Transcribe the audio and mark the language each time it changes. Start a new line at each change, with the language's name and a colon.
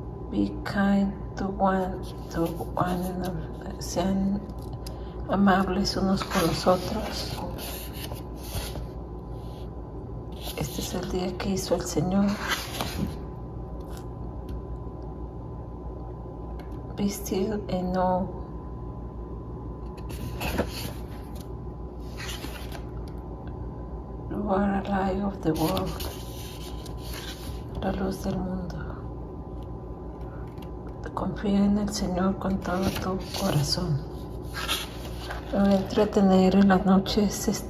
English: Be kind to one another.
Spanish: Sean amables unos con los otros. Este es el día que hizo el Señor.
English: Be still and know you are a light of the world,
Spanish: la luz del mundo. Confía en el Señor con todo tu corazón. Me voy a entretener en las noches.